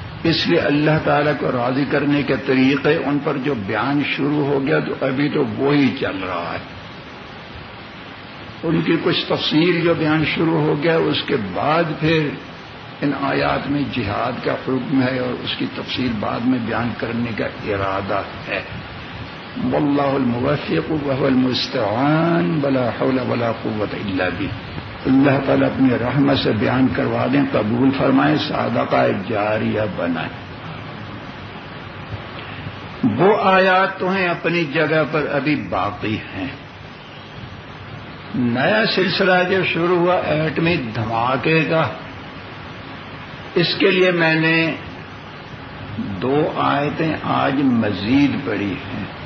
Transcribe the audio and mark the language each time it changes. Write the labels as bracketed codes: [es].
[ur] اس لیے اللہ تعالی کو راضی کرنے کے طریقے ان پر جو بیان شروع ہو گیا تو ابھی تو وہی چل رہا ہے, ان کی کچھ تفصیل جو بیان شروع ہو گیا اس کے بعد پھر ان آیات میں جہاد کا حکم ہے اور اس کی تفصیل بعد میں بیان کرنے کا ارادہ ہے. [ar] واللہ الموفق وهو المستعان, بلا حول ولا قوة الا بی. [ur] اللہ تعالیٰ اپنی رحمت سے بیان کروا دیں, قبول فرمائیں, صدقہ جاریہ بنائیں. وہ آیات تو ہیں اپنی جگہ پر, ابھی باقی ہیں. نیا سلسلہ جو شروع ہوا ایٹمی دھماکے کا, اس کے لیے میں نے دو آیتیں آج مزید پڑھی ہیں.